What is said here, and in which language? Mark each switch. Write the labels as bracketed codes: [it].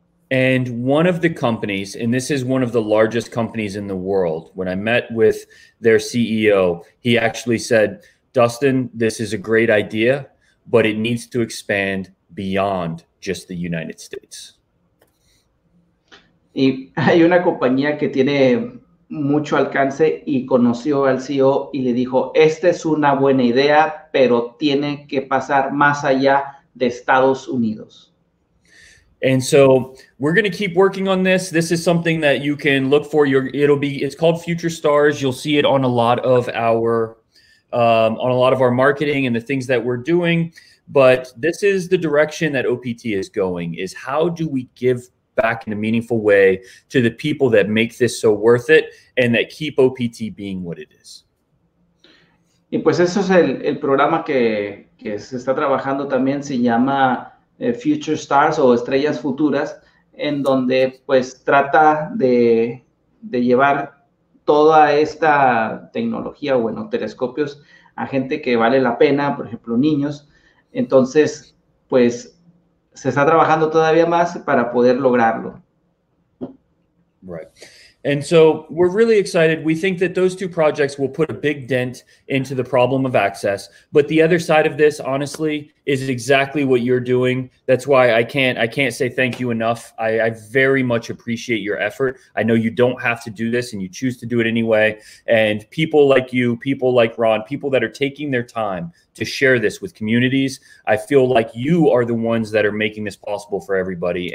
[en] And one of the companies, and this is one of the largest companies in the world, when I met with their CEO, he actually said, Dustin, this is a great idea, but it needs to expand beyond just the United States. [es] Y hay una compañía que tiene mucho alcance y conoció al CEO y le dijo, esta es una buena idea, pero tiene que pasar más allá de Estados Unidos. [en] And so we're going to keep working on this. This is something that you can look for. It's called Future Stars. You'll see it on a lot of our marketing and the things that we're doing. But this is the direction that OPT is going, is how do we give back in a meaningful way to the people that make this so worth it and that keep OPT being what it is. [es] Y pues eso es el programa que se está trabajando también. Se llama Future Stars o Estrellas Futuras, en donde pues trata de llevar toda esta tecnología, bueno, telescopios, a gente que vale la pena, por ejemplo, niños. Entonces, pues se está trabajando todavía más para poder lograrlo. [en] Right. And so we're really excited. We think that those two projects will put a big dent into the problem of access. But the other side of this, honestly, is exactly what you're doing. That's why I can't say thank you enough. I very much appreciate your effort. I know you don't have to do this and you choose to do it anyway. And people like you, people like Ron, people that are taking their time to share this with communities, I feel like you are the ones that are making this possible for everybody.